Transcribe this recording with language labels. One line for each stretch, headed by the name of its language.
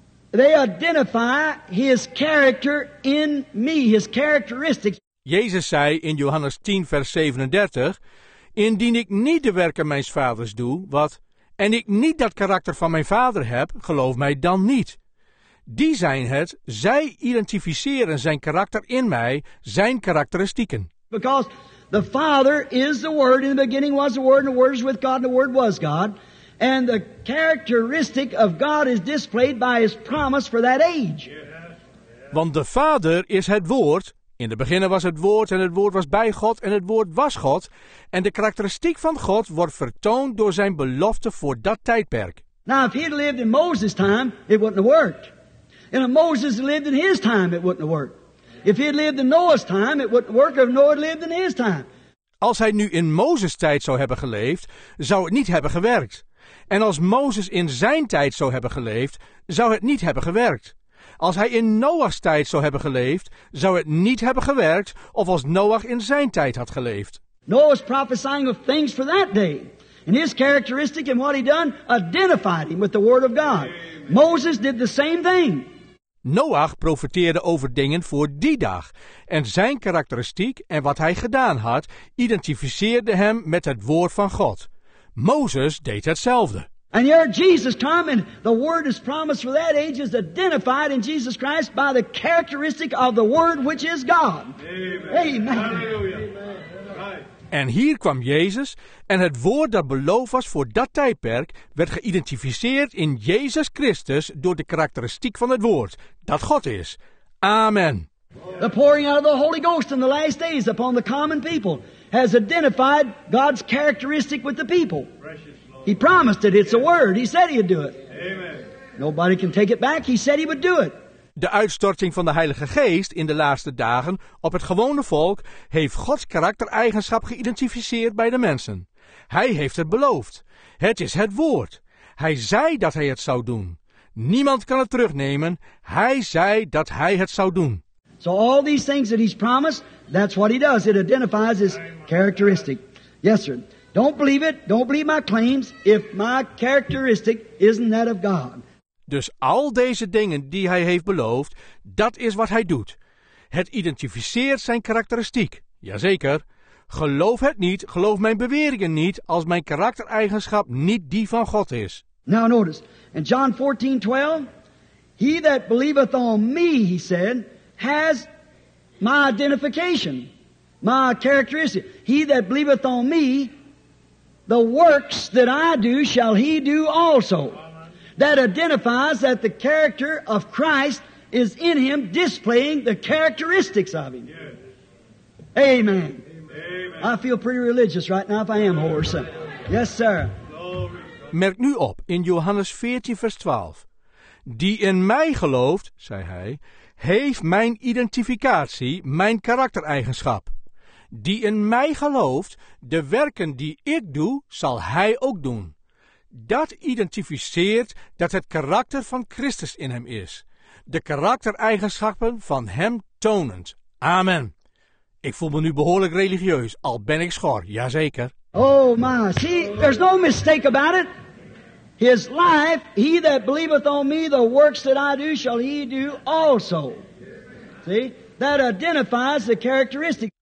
English: They identify his character in me, his characteristics.
Dutch: Jezus zei in Johannes 10, vers 37, indien ik niet de werken mijns vaders doe, wat, en ik niet dat karakter van mijn vader heb, geloof mij dan niet. Die zijn het, zij identificeren zijn karakter in mij, zijn karakteristieken.
English: Because the Father is the Word, in the beginning was the Word, and the Word is with God, and the Word was God. And the characteristic of God is displayed by his promise for that age.
Dutch: Want de Vader is het woord. In het begin was het woord en het woord was bij God en het woord was God. En de karakteristiek van God wordt vertoond door zijn belofte voor dat tijdperk.
English: Now if he had lived in Moses' time, it wouldn't have worked. And if Moses lived in his time, it wouldn't have worked. If he had lived in Noah's time, it wouldn't work if Noah lived in his time.
Dutch: Als hij nu in Mozes' tijd zou hebben geleefd, zou het niet hebben gewerkt. En als Mozes in zijn tijd zou hebben geleefd, zou het niet hebben gewerkt. Als hij in Noach's tijd zou hebben geleefd, zou het niet hebben gewerkt, of als Noach in zijn tijd had geleefd.
English: Noah was prophesying of things for that day. And his characteristic and what he done identified him with the word of God. Moses did the same thing.
Dutch: Noach profeteerde over dingen voor die dag. En zijn karakteristiek en wat hij gedaan had, identificeerde hem met het woord van God. Mozes deed hetzelfde.
English: And here Jesus come and the word is promised for that age is identified in Jesus Christ by the characteristic of the word which is God. Amen. Amen.
Dutch: En hier kwam Jezus en het woord dat beloofd was voor dat tijdperk werd geïdentificeerd in Jezus Christus door de karakteristiek van het woord, dat God is. Amen.
English: The pouring out of the Holy Ghost in the last days upon the common people has identified God's characteristic with the people. He promised it, it's a word, he said he'd do it. Amen. Nobody can take it back, he said he would do it.
Dutch: De uitstorting van de Heilige Geest in de laatste dagen op het gewone volk heeft Gods karaktereigenschap geïdentificeerd bij de mensen. Hij heeft het beloofd. Het is het woord. Hij zei dat hij het zou doen. Niemand kan het terugnemen. Hij zei dat hij het zou doen.
English: So all these things that he's promised, that's what he does. It identifies his characteristic. Yes, sir. Don't believe it. Don't believe my claims if my characteristic isn't that of God.
Dutch: Dus al deze dingen die hij heeft beloofd, dat is wat hij doet. Het identificeert zijn karakteristiek. Jazeker. Geloof het niet, geloof mijn beweringen niet, als mijn karaktereigenschap niet die van God is.
English: Now notice, in John 14, 12, he that believeth on me, he said, has my identification, my characteristic. He that believeth on me, the works that I do shall he do also. That identifies that the character of Christ is in him displaying the characteristics of him. Yes. Amen. Amen. I feel pretty religious right now if I am horse. Yes, sir.
Dutch: Merk nu op in Johannes 14, vers 12. Die in mij gelooft, zei hij, heeft mijn identificatie, mijn karaktereigenschap. Die in mij gelooft, de werken die ik doe, zal hij ook doen. Dat identificeert dat het karakter van Christus in hem is. De karaktereigenschappen van hem tonend. Amen. Ik voel me nu behoorlijk religieus, al ben ik schor. Jazeker.
English: Oh my, see, there's no mistake about it. His life, he that believeth on me, the works that I do, shall he do also. See, that identifies the characteristic.